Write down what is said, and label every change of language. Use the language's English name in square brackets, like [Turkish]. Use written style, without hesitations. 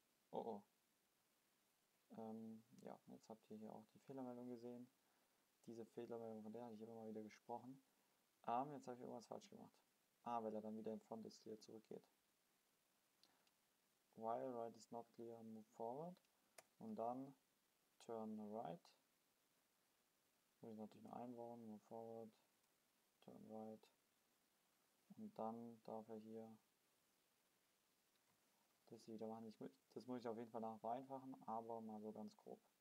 [German] Oh oh. Jetzt habt ihr hier auch die Fehlermeldung gesehen. Diese Fehlermeldung, von der habe ich immer mal wieder gesprochen. Jetzt habe ich irgendwas falsch gemacht. Weil er dann wieder in front ist, hier zurückgeht. [English] While right is not clear, move forward. [German] Und dann [English] turn right. [German] Würde ich natürlich nur einbauen, [English] move forward, turn right. [German] Und dann darf er hier das wieder machen. Das muss ich auf jeden Fall noch vereinfachen, aber mal so ganz grob.